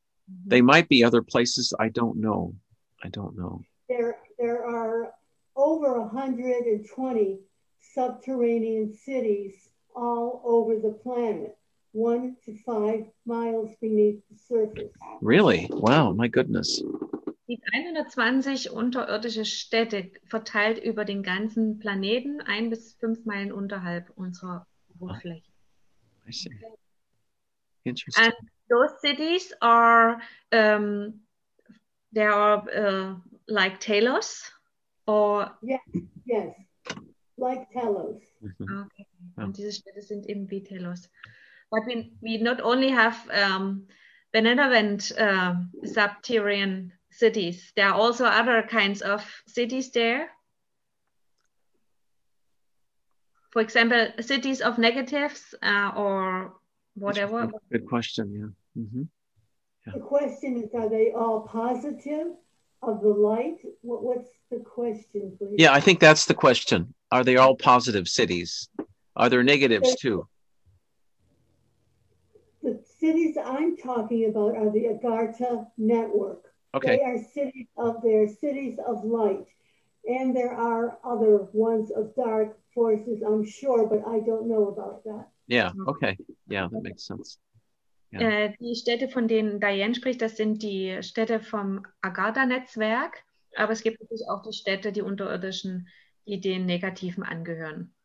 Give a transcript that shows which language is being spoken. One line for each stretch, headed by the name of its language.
English: Mm-hmm. They might be other places. I don't know. I don't know. There are over 120 subterranean cities all over the planet, 1 to 5 miles beneath the surface. Really? Wow, my goodness.
German: 120 unterirdische Städte verteilt über den ganzen Planeten, 1 bis 5 Meilen unterhalb unserer Oberfläche.
English: Oh, I see. Okay. Interesting. And those cities are, they are like Telos. Or yes, like Telos.
German: Okay, und diese Städte sind eben wie Telos.
English: But we not only have benevolent subterranean cities, there are also other kinds of cities there. For example, cities of negatives or whatever. Good question, yeah. Mm-hmm. Yeah. The question is, are they all positive of the light? What's the question, please? Yeah, I think that's the question. Are they all positive cities? Are there negatives too? The cities I'm talking about are the Agartha network. Okay. They are cities of light. And there are other ones of dark forces, I'm sure, but I don't know about that. Yeah, okay. Yeah, that makes sense. Yeah.
German: Die Städte, von denen Diane spricht, das sind die Städte vom Agartha-Netzwerk, aber es gibt natürlich auch die Städte, die unterirdischen, die den Negativen angehören.